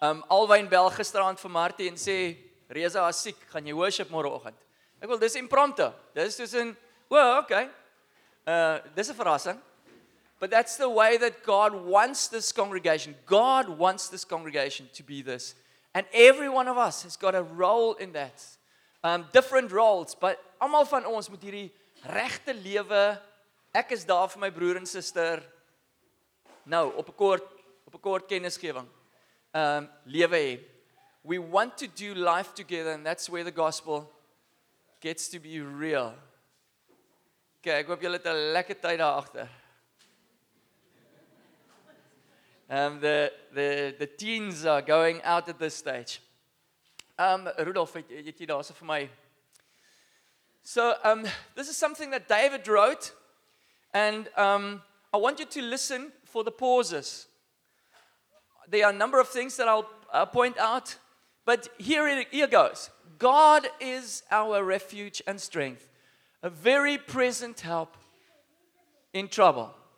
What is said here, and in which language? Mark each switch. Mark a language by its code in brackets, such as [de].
[af] Alwyn bel gisterand vir Martie en sê, Reza is siek, gaan jy worship morgenoggend? Ek wil, dis impromptu, dis soos in, dis 'n verrassing. [en] But that's the way that God wants this congregation. God wants this congregation to be this. And every one of us has got a role in that. Different roles, but [af] almal van ons moet hierdie regte lewe, ek is daar vir my broer en suster, nou, op 'n kort kennisgewing, lewe hê. [en] We want to do life together, and that's where the gospel gets to be real. [af] Okay, ek hoop julle het 'n lekker tyd daar agter. [en] The teens are going out at this stage. [af] Rudolf, het jy daar so vir my? [en] So, this is something that David wrote, and I want you to listen for the pauses. There are a number of things that I'll point out, but here goes. God is our refuge and strength, a very present help in trouble.